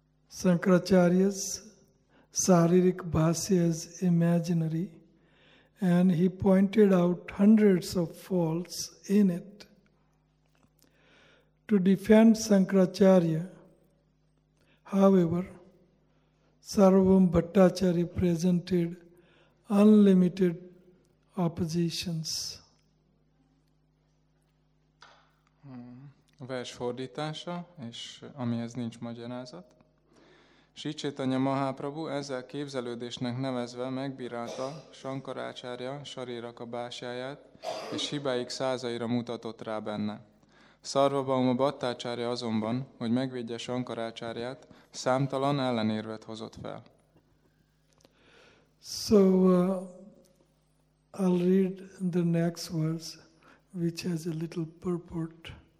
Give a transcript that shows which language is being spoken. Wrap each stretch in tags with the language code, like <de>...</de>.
<en>Shankaracharya's Sharirik Bhasya is imaginary, and he pointed out hundreds of faults in it. To defend Shankaracharya, however, Sarvabhaum Bhattacharya presented unlimited oppositions.</en> <hu>Vers fordítása, és amihez nincs magyarázat. Srí Caitanya Mahaprabhu ezzel képzelődésnek nevezve megbírálta Shankaracharya sarírak a básáját, és hibáik százaira mutatott rá benne. Sarvabhauma Bhattacharya azonban, hogy megvédje Shankaracharyát, számtalan ellenérvet hozott fel.</hu> <en>So, I'll read the next verse, which has a little purport.</en>